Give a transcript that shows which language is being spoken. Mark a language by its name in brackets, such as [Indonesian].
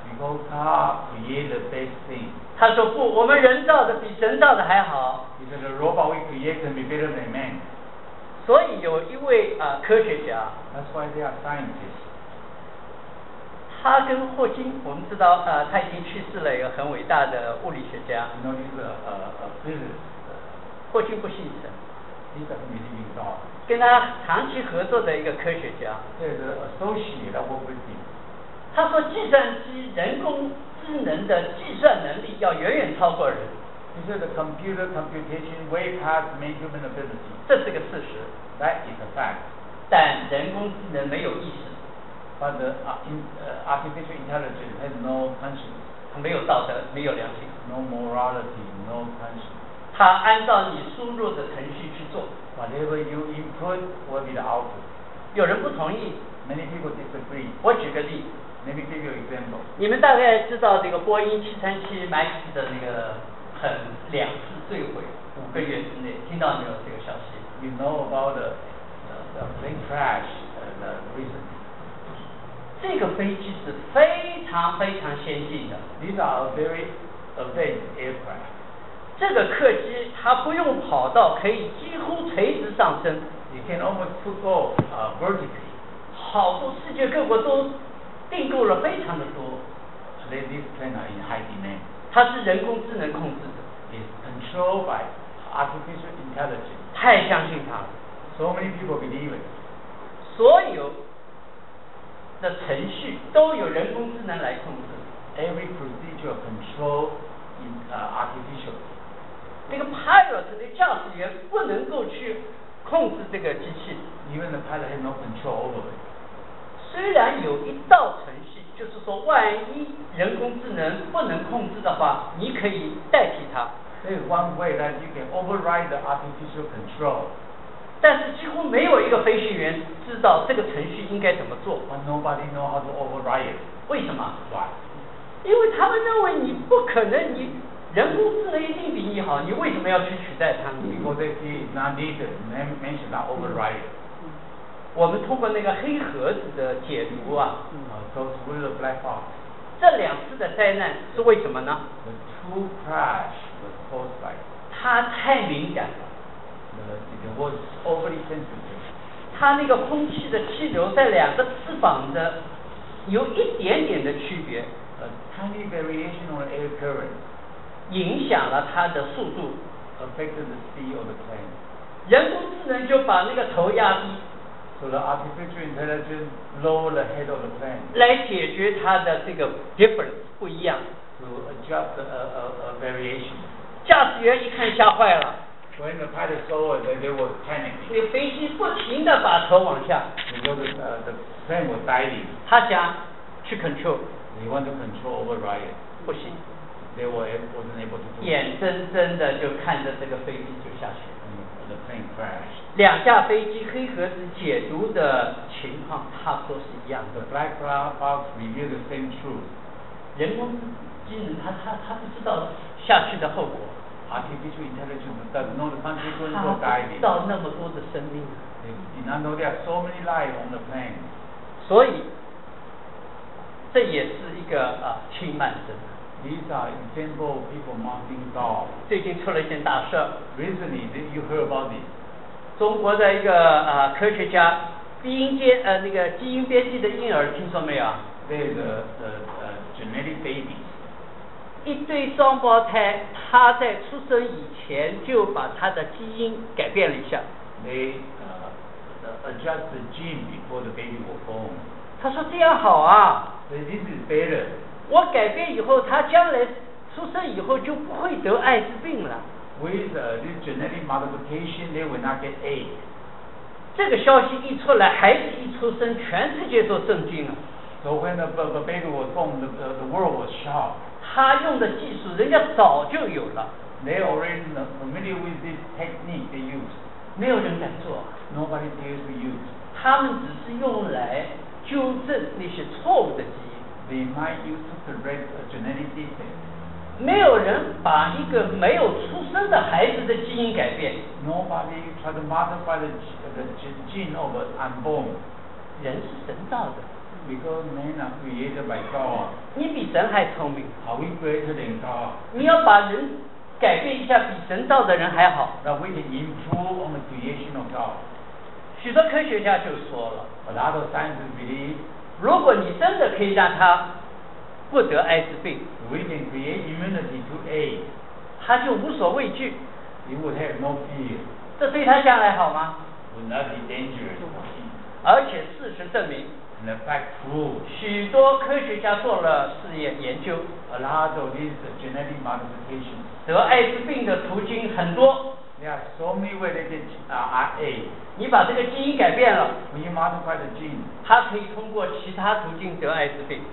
[English] because God created the best thing [Chinese] 他说不我们人造的比神造的还好 [English] he said the robot we create can be better than man [Chinese] 所以有一位科学家 [English] that's why they are scientists [Chinese] 他跟霍金我们知道他已经去世了一个很伟大的物理学家 [English] you know he's a physicist [Chinese] 霍金不信神 [English] he doesn't believe in God [Chinese] 跟他长期合作的一个科学家 [English] associate that with him. [Chinese] 他说计算机人工智能的计算能力要远远超过人 [English] He said the computer computation way past main human ability [Chinese] 这是个事实 [English] That is a fact [Chinese] 但人工智能没有意识 [English] But the artificial intelligence has no conscience [Chinese] 他没有道德没有良心 [English] No morality, no conscience [Chinese] 他按照你输入的程序去做 [English] Whatever you input will be the output [Chinese] 有人不同意 [English] Many people disagree [Chinese] 我举个例 [English] Let me give you an example [Chinese] 你们大概知道这个波音737 MAX 的那个很两次坠毁五个月之内听到没有这个消息 [English] You know about the plane crash the reason [Chinese] 这个飞机是非常非常先进的 [English] These are very advanced aircraft [Chinese] 这个客机它不用跑道可以几乎垂直上升 [English] You can almost go vertically [Chinese] 好多世界各国都订购了非常的多 [English] Today this plane are in high demand [Chinese] 它是人工智能控制的 [English] It's controlled by artificial intelligence [Chinese] 太相信它了 [English] So many people believe it [Chinese] 所有的程序都有人工智能来控制 [English] Every procedure controlled in artificial [Chinese] 那个 pilot 的驾驶员不能够去控制这个机器 [English] Even the pilot has no control over it [Chinese] 虽然有一道程序就是说万一人工智能不能控制的话你可以代替它 [English] There's one way that you can override the artificial control [Chinese] 但是几乎没有一个飞行员知道这个程序应该怎么做 [English] But nobody knows how to override it [Chinese] 为什么 [English] Why [Chinese] 因为他们认为你不可能你人工智能一定比你好你为什么要去取代它呢 [English] Because it is not needed Man should not override it [Chinese] 我们通过那个黑盒子的解读啊 [English] So through the black box [Chinese] 这两次的灾难是为什么呢 [English] The two crash was caused by [Chinese] 它太敏感了 [English] It was overly sensitive [Chinese] 它那个空气的气流在两个翅膀的有一点点的区别 [English] A tiny variation on air current [Chinese] 影响了它的速度 [English] affected the speed of the plane [Chinese] 人工智能就把那个头压低 [English] so the artificial intelligence lowered the head of the plane [Chinese] 来解决它的这个 difference 不一样 [English] to adjust a variation [Chinese] 驾驶员一看吓坏了 [English] When the pilot saw it, they were panicking. [Chinese] 那飞机不停地把头往下。 [English] Because the plane was diving. [Chinese] 他想去 control. [English] He wanted to control over Ryan. [Chinese] 不行。 [English] They were wasn't able to do it. [Chinese] 眼睁睁地就看着这个飞机就下去。 [English] The plane crashed. [Chinese] 两架飞机黑盒子解读的情况差不多是一样的。 [English] The black box revealed the same truth. [Chinese] 人工机能他不知道下去的后果。 [English] Artificial intelligence does not know the consequences of diving. [Chinese] 他不知道那么多的生命。 [English] Did not know there are so many lives on the plane. [Chinese] 所以，这也是一个轻慢症。 [English] These are example of people mounting dogs. [Chinese] 最近出了一件大事。 [English] Recently, you heard about this. [Chinese] 中国的一个科学家，基因编辑的婴儿，听说没有？对的， [English] genetic baby. [Chinese] 一对双胞胎，他在出生以前就把他的基因改变了一下。 [English] They adjust the gene before the baby was born. [Chinese] 他说这样好啊。 [English] This is better. [Chinese] 我改变以后，他将来出生以后就不会得艾滋病了。 [English] With this genetic modification, they will not get AIDS. [Chinese] 这个消息一出来，孩子一出生，全世界都震惊了。 [English] So when the baby was born, the world was shocked. [Chinese] 他用的技术人家早就有了。 [English] They already familiar with this technique they use. [Chinese] 没有人敢做。 [English] Nobody dares to use. [Chinese] 他们只是用来纠正那些错误的基因。 [English] They might use to correct a genetic defect. [Chinese] 没有人把一个没有出生的孩子的基因改变。 [English] Nobody tried to modify the gene of an unborn. [Chinese] 人是神造的。 [English] Because men are created by God. [Chinese] 你比神还聪明。 [English] Are we greater than God? [Chinese] 你要把人改变一下，比神造的人还好。 [English] That we can improve on the creation of God. [Chinese] 许多科学家就说了。 [English] A lot of scientists believe. [Chinese] 如果你真的可以让他不得艾滋病。 [English] We can create immunity to AIDS. [Chinese] 他就无所畏惧。 [English] He would have no fear. [Chinese] 这对他将来好吗？ [English] Would not be dangerous. [Chinese] 而且事实证明。 [English] The fact proved. [Chinese] 许多科学家做了试验研究。 [English] A lot of these genetic modifications. [Chinese] 得艾滋病的途径很多。 [English] There are so many ways to get RA. [Chinese] 你把这个基因改变了。 [English] When you modify the gene. [Chinese] 它可以通过其他途径得艾滋病。